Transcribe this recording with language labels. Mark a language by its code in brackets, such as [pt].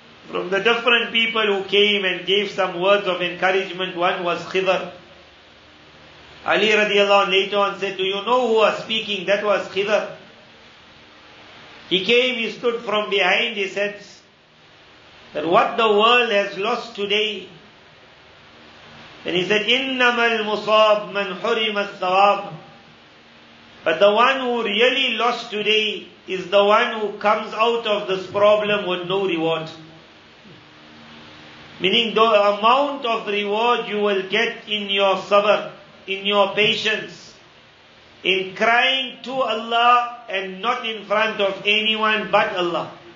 [en] From the different people who came and gave some words of encouragement, one was Khidr. Ali radiallahu anhu later on said, do you know who was speaking? That was Khidr. He came, he stood from behind, he said, that what the world has lost today. And he said, [ar] إِنَّمَا الْمُصَابْ مَنْ حُرِمَ الثَّوَابْ. [en] But the one who really lost today is the one who comes out of this problem with no reward. Meaning the amount of reward you will get in your sabr, in your patience, in crying to Allah and not in front of anyone but Allah.